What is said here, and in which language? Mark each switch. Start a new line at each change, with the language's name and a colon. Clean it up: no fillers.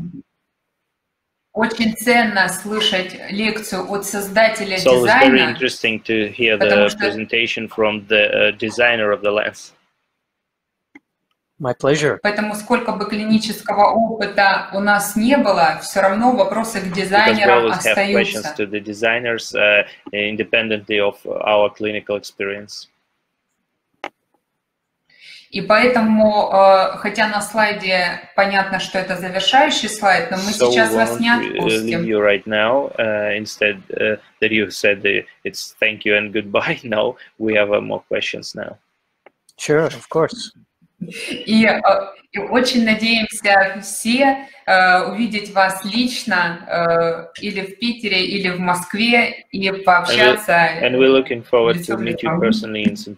Russian: Конечно, всегда очень ценно слышать лекцию от создателя дизайна.
English: It's always very interesting to hear the presentation from the designer of the lens. My pleasure.
Russian: Поэтому сколько бы клинического опыта у нас не было, все равно вопросы к дизайнерам остаются.
English: Because we always have questions to the designers, independently of our clinical experience.
Russian: И поэтому, хотя на слайде понятно, что это завершающий слайд, но мы сейчас вас не отпустим.
English: You right now, instead that you said it's thank you and goodbye. No, we have more questions now. Sure, of course.
Russian: И очень надеемся все увидеть вас лично или в Питере, или в Москве, и пообщаться.
English: And we're looking forward to meet you personally in St.